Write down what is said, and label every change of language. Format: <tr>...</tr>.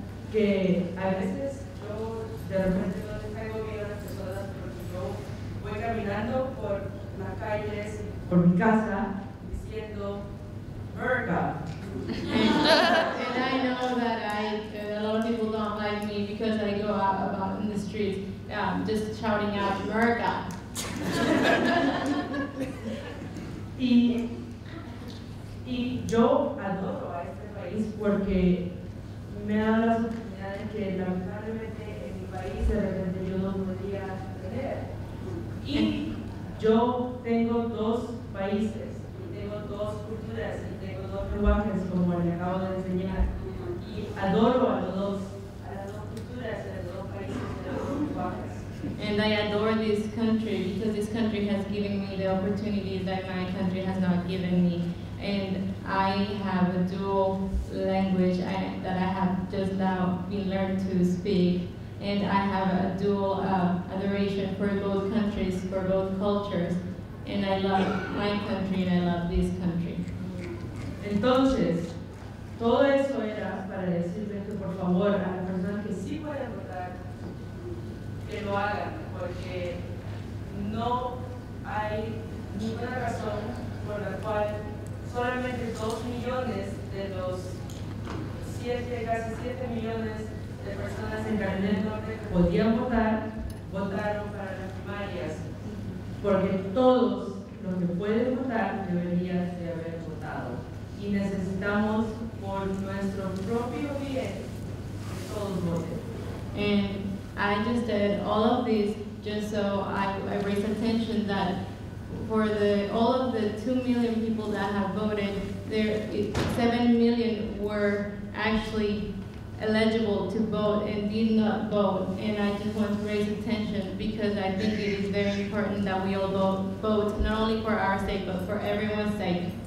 <es>Que a veces yo de repente no tengo miedo a las personas porque yo voy caminando por por mi casa, diciendo, verga.</es> <en>And I know that a lot of people don't like me because I go out about in the streets just shouting out, verga.</en> <es>Y yo adoro a este país porque me da las oportunidades que lamentablemente en mi país de repente yo no podría tener. Y yo tengo dos países, y tengo dos culturas y tengo dos lenguajes como le acabo de enseñar. Y adoro a las dos culturas y a los dos países y a los dos lenguajes.</es> <en>And I adore this country because this country has given me the opportunities that my country has not given me. And I have a dual language that I have just now been learned to speak. And I have a dual adoration for both countries, for both cultures. And I love my country and I love this country.</en> <es>Entonces, todo eso era para decirle que por favor a la persona que sí puede votar, que lo hagan, porque no hay ninguna razón por la cual solamente 2 millones de los casi 7 millones de personas en Carolina del Norte podían votar, votaron para las primarias, porque todos los que pueden votar deberían de haber votado. Y necesitamos por nuestro propio bien que todos voten.</es> <en>I just did all of this just so I raise attention that for all of the 2 million people that have voted, there 7 million were actually eligible to vote and did not vote. And I just want to raise attention because I think it is very important that we all vote, not only for our sake, but for everyone's sake.</en>